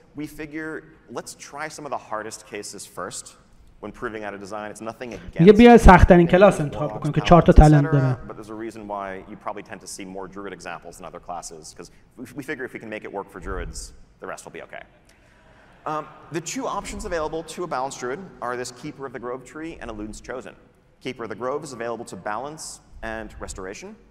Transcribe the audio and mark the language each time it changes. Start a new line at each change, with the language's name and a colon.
English: We figure let's try some of the hardest cases first when proving out a design. It's nothing against.
Persian: یه بیا سخت‌ترین کلاس انتخاب بکنیم که 4 تا talent داره.
English: But there's a reason why you probably tend to see more druid examples than other classes because we figure if we can make it work for druids, the rest will be okay. The two options available to a balanced druid are this keeper of the grove tree and a loon's chosen. Keeper of the grove is available to balance and restoration.